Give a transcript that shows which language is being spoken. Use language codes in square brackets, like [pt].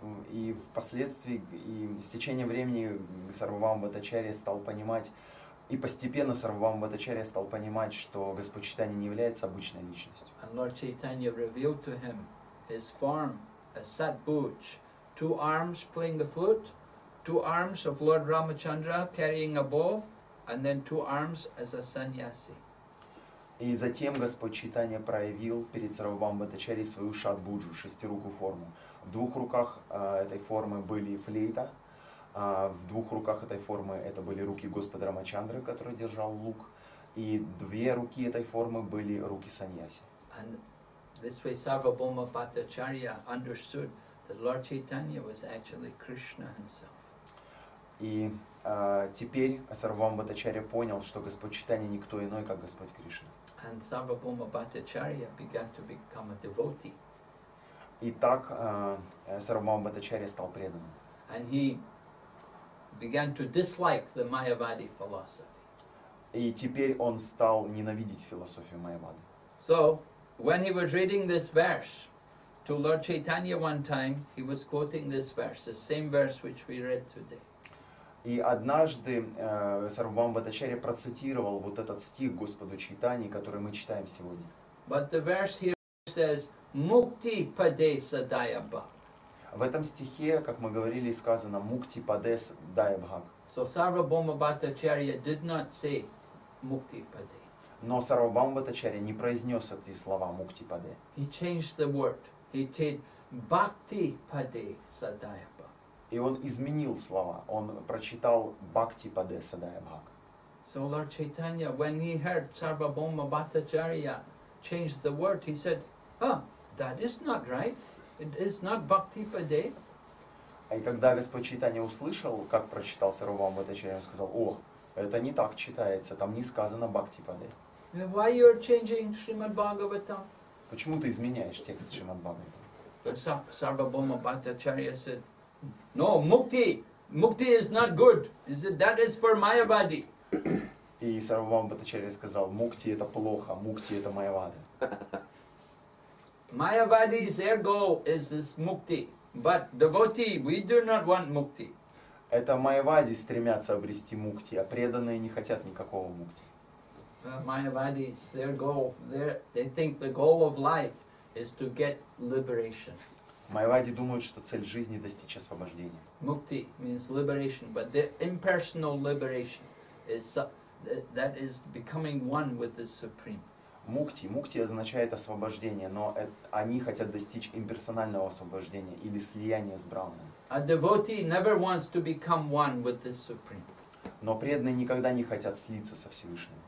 [ru] И впоследствии, с течением времени Сарвабхаума Бхаттачарья стал понимать, и постепенно Сарвабхаума Бхаттачарья стал понимать, что Господь Чайтанья не является обычной личностью. [en] And Lord Chaitanya revealed to him his form, a satbhuj, two arms playing the flute, two arms of Lord Ramachandra carrying a bow, and then two arms as a sannyasi. [ru] И затем Господь Чайтанья проявил перед Сарвабхаума Бхаттачарьей свою шатбуджу, шестирукую форму. В двух руках этой формы были флейта, в двух руках этой формы это были руки Господа Рамачандры, который держал лук, и две руки этой формы были руки сannyasi. [en] And this way Sarvabhauma Bhattacharya understood that Lord Chaitanya was actually Krishna himself. [ru] И теперь Сарвабхаума Бхаттачарья понял, что Господь Чайтанья никто иной, как Господь Кришна. [en] And Sarvabhauma Bhattacharya began to become a devotee. [ru] И так Сарвабхаума Бхаттачарья стал преданным. [en] And he began to dislike the Mayavadi philosophy. [ru] И теперь он стал ненавидеть философию Майявады. [en] So, when he was reading this verse to Lord Chaitanya one time, he was quoting this verse, the same verse which we read today. [ru] И однажды Сарвабхаума Бхаттачарья процитировал вот этот стих Господу Чайтани, который мы читаем сегодня. [en] But the verse here says, [sa] "Мукти паде садая бхаг". [ru] В этом стихе, как мы говорили, сказано [sa] "Мукти паде садая бхаг". [en] So Сарвабхаума Бхаттачарья did not say [sa] "Мукти паде". [ru] Но Сарвабхаума Бхаттачарья не произнес эти слова [sa] "Мукти паде". [en] He changed the word. He said, [sa] "Бхакти паде садая бхаг". [ru] И он изменил слова. Он прочитал [sa] Бхакти паде садая бхаг. [en] So Lord Chaitanya, when he heard Sarvabhauma Bhattacharya change the word, he said, "Oh, that is not right. It is not [sa] Бхакти паде". [ru] И когда Господь Чайтанья услышал, как прочитал Сарвабхаума Бхаттачарья, он сказал: "О, это не так читается. Там не сказано [sa] Бхакти паде". [en] Why you're changing Shrimad Bhagavatam? [ru] Почему ты изменяешь текст Shrimad Bhagavatam? [en] Sarvabhauma Bhattacharya said, "No, mukti. Mukti is not good. Is it? That is for Mayavadi". [ru] И Сарвабхаума Бхаттачарья сказал: "Мукти это плохо. Мукти это Майявада". [en] Mayavadi is their goal is this mukti, but devotee we do not want mukti. [ru] Это Майявади стремятся обрести мукти, а преданные не хотят никакого мукти. [en] Mayavadi is their goal. They think the goal of life is to get liberation. [ru] Майявади думают, что цель жизни — достичь освобождения. [en] Mukti means liberation, but the impersonal liberation is that is becoming one with the Supreme. [ru] Мукти означает освобождение, но они хотят достичь имперсонального освобождения или слияния с Брахманом. [en] A devotee never wants to become one with the Supreme. [ru] Но преданные никогда не хотят слиться со Всевышним.